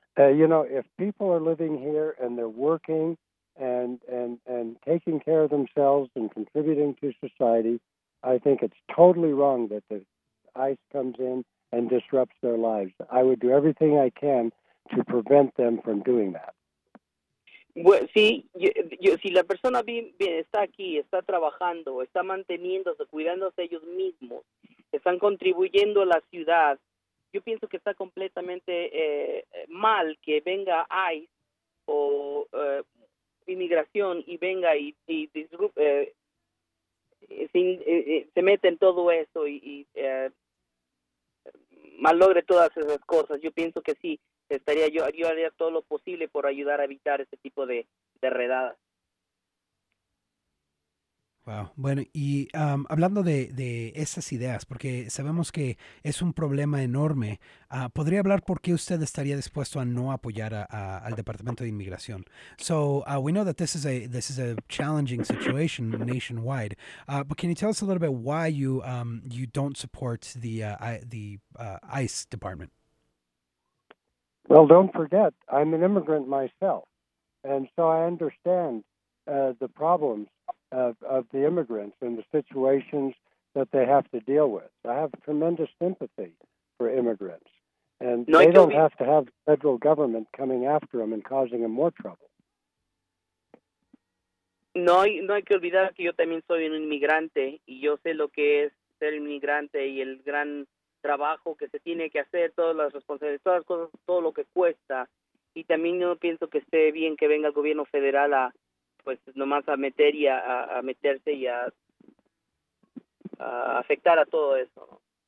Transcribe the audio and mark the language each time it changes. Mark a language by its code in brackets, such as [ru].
[en] If people are living here and they're working and taking care of themselves and contributing to society, I think it's totally wrong that the ICE comes in and disrupts their lives. I would do everything I can to prevent them from doing that. [es] Bueno, si la persona bien está aquí, está trabajando, está manteniéndose, cuidándose ellos mismos, están contribuyendo a la ciudad, yo pienso que está completamente mal que venga ICE o inmigración y venga y disrupte, se mete en todo eso y malogre todas esas cosas. Yo pienso que sí, estaría yo haría todo lo posible por ayudar a evitar ese tipo de redadas. [en] Wow. [es] Bueno, y hablando de esas ideas, porque sabemos que es un problema enorme, ¿podría hablar por qué usted estaría dispuesto a no apoyar al Departamento de Inmigración? [en] So we know that this is a challenging situation nationwide, but can you tell us a little bit why you don't support the ICE Department? Well, don't forget, I'm an immigrant myself, and so I understand the problems of the immigrants and the situations that they have to deal with. I have tremendous sympathy for immigrants, and no, they don't have to have the federal government coming after them and causing them more trouble. [es] No hay que olvidar que yo también soy un inmigrante, y yo sé lo que es ser inmigrante y el gran trabajo que se tiene que hacer, todas las responsabilidades, todas las cosas, todo lo que cuesta, y también yo pienso que esté bien que venga el gobierno federal a pues nomás a meterse y a afectar a todo eso.